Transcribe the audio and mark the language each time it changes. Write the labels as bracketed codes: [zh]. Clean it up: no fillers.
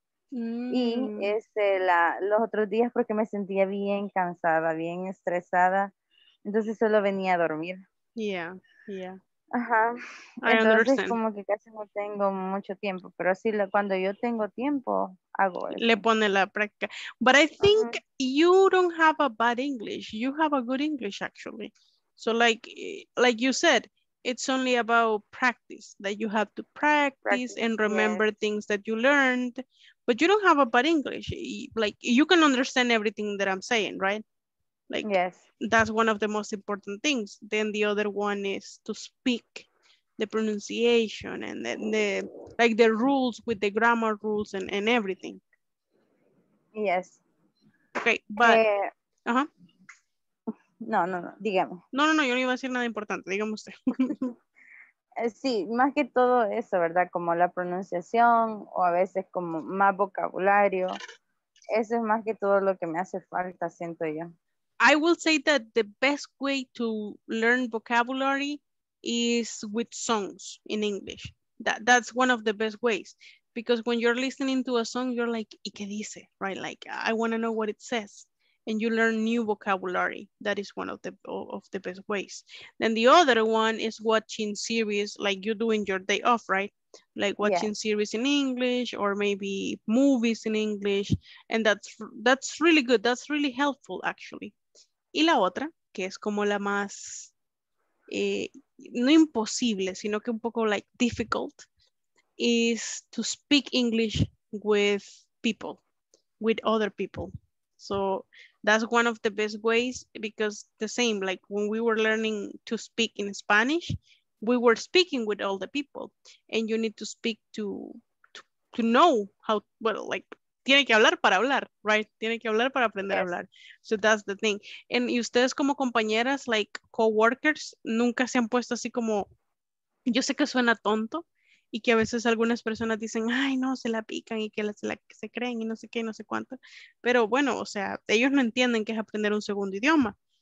[es] Y los otros días porque me sentía bien cansada, bien estresada. Entonces solo venía a dormir. [en] Yeah. Ajá. [es] Entonces como que casi no tengo mucho tiempo. Pero sí, cuando yo tengo tiempo, hago eso. Le pone la práctica. [en] But I think you don't have a bad English. You have a good English, actually. So like you said, it's only about practice, that you have to practice and remember things that you learned, but you don't have a bad English. Like, you can understand everything that I'm saying, right? Like, yes. That's one of the most important things. Then the other one is to speak the pronunciation and the rules with the grammar rules and everything. Yes. Okay, but... [es] No, dígame. No, yo no iba a decir nada importante, dígame usted. Sí, más que todo eso, ¿verdad? Como la pronunciación o a veces como más vocabulario. Eso es más que todo lo que me hace falta, siento yo. [en] I will say that the best way to learn vocabulary is with songs in English. That's one of the best ways. Because when you're listening to a song, you're like, [es] ¿y qué dice? [en] Right? Like, I want to know what it says. And you learn new vocabulary. That is one of the best ways. Then the other one is watching series like you do in your day off, right? Like watching series in English or maybe movies in English. And that's really good. That's really helpful, actually. [es] Y la otra, que es como la más, no imposible, sino que un poco [en] like difficult, is to speak English with people, with other people. So that's one of the best ways, because the same, like when we were learning to speak in Spanish, we were speaking with all the people, and you need to speak to know how, well, like, [es] tiene que hablar para hablar, [en] right? [es] Tiene que hablar para aprender a hablar. [en] So that's the thing. [es] And ustedes como compañeras, [en] like co-workers, [es] nunca se han puesto así como, yo sé que suena tonto, y que a veces algunas personas dicen, ay, no, se la pican y que se creen y no sé qué, no sé cuánto. Pero bueno, o sea, ellos no entienden qué es aprender un segundo idioma.